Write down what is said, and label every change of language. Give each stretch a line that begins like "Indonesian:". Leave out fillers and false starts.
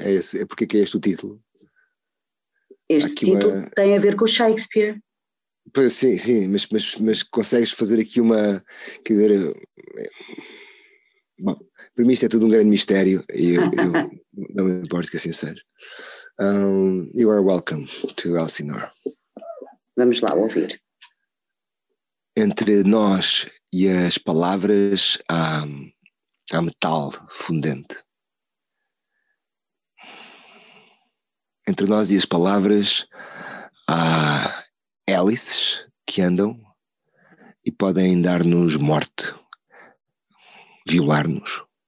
Portuguese: É porque é que é este o título? Este título tem a ver com Shakespeare. Pois, sim, mas consegues fazer aqui uma, quer dizer, bom, para mim isto é tudo um grande mistério e eu não me importo que assim seja.
English: You are welcome to Elsinore.
Portuguese: Vamos lá ouvir. Entre nós e as palavras há metal fundente. Entre nós e as palavras há hélices que andam e podem dar-nos morte violar-nos.